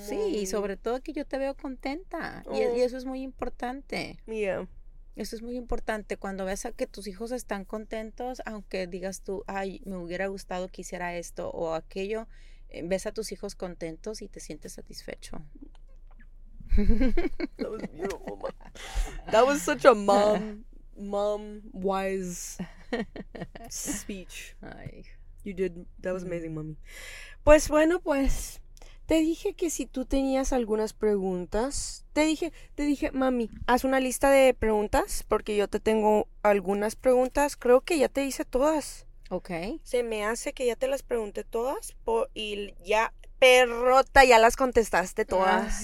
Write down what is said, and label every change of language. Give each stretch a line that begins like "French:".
Spanish: Sí, y sobre todo que yo te veo contenta, oh. Y eso es muy importante.
English: Yeah.
Spanish: Eso es muy importante, cuando ves a que tus hijos están contentos, aunque digas tú, ay, me hubiera gustado que hiciera esto o aquello, ves a tus hijos contentos y te sientes satisfecho.
English: That was beautiful, mom. That was such a mom-wise speech. Ay. You did, that was amazing, mommy.
Spanish: Pues bueno, pues, te dije que si tú tenías algunas preguntas, te dije, mami, haz una lista de preguntas, porque yo te tengo algunas preguntas, creo que ya te hice todas.
English: Ok.
Spanish: Se me hace que ya te las pregunté todas, y ya, perrota, ya las contestaste todas.